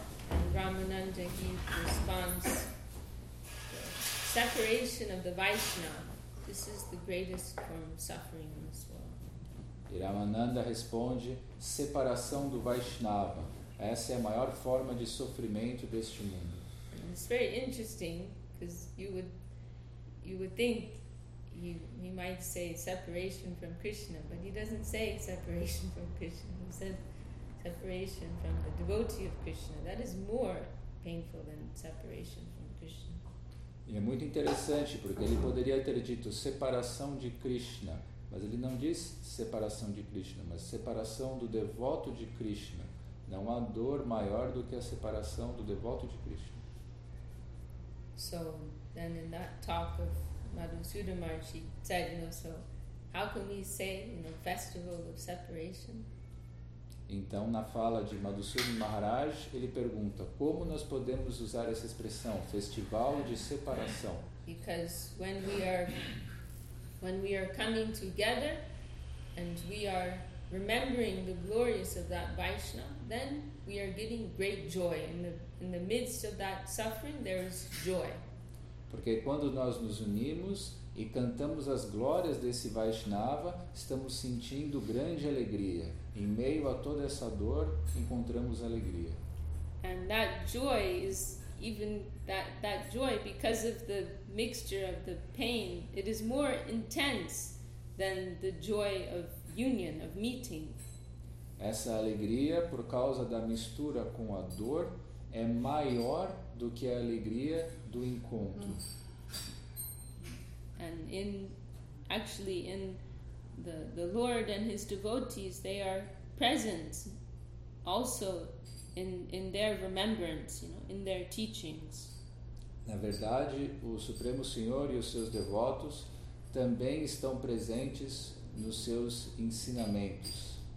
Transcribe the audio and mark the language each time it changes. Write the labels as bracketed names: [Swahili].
[English] And Ramananda, he responds, separation of the Vaishnava, this is the greatest form of suffering in this world. [Portuguese] E Ramananda responde, separação do Vaishnava, essa é a maior forma de sofrimento deste mundo. [English] And it's very interesting, because you would think he might say separation from Krishna, but he doesn't say separation from Krishna. He says separation from the devotee of Krishna. That is more painful than separation from Krishna. [Portuguese] E é muito interessante porque ele poderia ter dito separação de Krishna, mas ele não diz separação de Krishna, mas separação do devoto de Krishna. Não há dor maior do que a separação do devoto de Krishna. [English] So then in that talk of Madam Sudamar, she said, you know, so how can we say, you know, festival of separation? [Portuguese] Então, na fala de Madhusudana Maharaj, ele pergunta: como nós podemos usar essa expressão, festival de separação? [English] Because when we are coming together and we are remembering the glories of that Vaishnava, then we are giving great joy. In the midst of that suffering, there is joy. [Portuguese] Porque quando nós nos unimos e cantamos as glórias desse Vaishnava, estamos sentindo grande alegria. Em meio a toda essa dor, encontramos alegria. [English] And that joy is even that joy, because of the mixture of the pain, it is more intense than the joy of union, of meeting. [Portuguese] Essa alegria, por causa da mistura com a dor, é maior do que a alegria do encontro. [English] And actually in the Lord and his devotees, they are present also in their remembrance, you know, in their teachings. [Portuguese] Na verdade, o Supremo Senhor e os seus devotos também estão presentes nos seus ensinamentos,